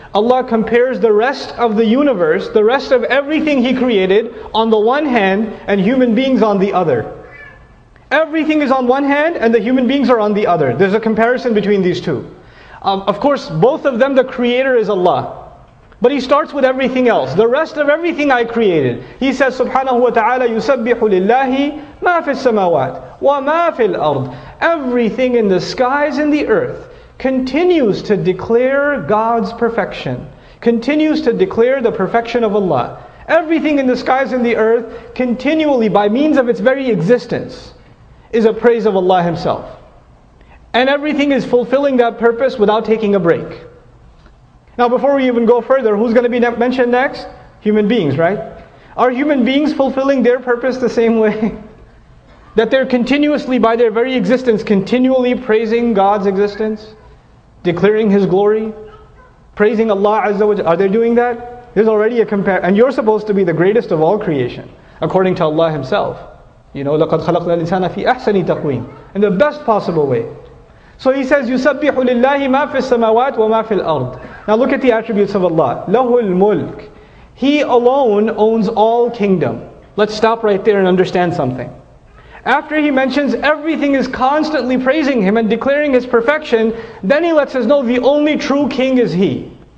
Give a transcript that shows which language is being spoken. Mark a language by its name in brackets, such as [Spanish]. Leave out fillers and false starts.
[English] Allah compares the rest of the universe, the rest of everything He created, on the one hand, and human beings on the other. Everything is on one hand, and the human beings are on the other. There's a comparison between these two. Of course, both of them, the creator is Allah. But He starts with everything else. The rest of everything I created. He says, Subhanahu wa ta'ala, [Arabic] يُسَبِّحُ لِلَّهِ مَا فِي السَّمَوَاتِ وَمَا فِي الْأَرْضِ. [English] Everything in the skies and the earth continues to declare God's perfection. Continues to declare the perfection of Allah. Everything in the skies and the earth continually, by means of its very existence, is a praise of Allah Himself. And everything is fulfilling that purpose without taking a break. Now before we even go further, who's going to be mentioned next? Human beings, right? Are human beings fulfilling their purpose the same way? That they're continuously, by their very existence, continually praising God's existence? Declaring His glory? Praising Allah Azza wa Jalla? Are they doing that? There's already a comparison. And you're supposed to be the greatest of all creation, according to Allah Himself. You know, [Arabic] لَقَدْ خَلَقْنَا الْإِنسَانَ فِي أَحْسَنِ تَقْوِيمٍ. [English] In the best possible way. So he says, [Arabic] يُسَبِّحُ لِلَّهِ مَا فِي السَّمَوَاتِ وَمَا فِي الْأَرْضِ. [English] Now look at the attributes of Allah. [Arabic] لَهُ الْمُلْكِ. [English] He alone owns all kingdom. Let's stop right there and understand something. After he mentions everything is constantly praising Him and declaring His perfection, then he lets us know the only true king is He.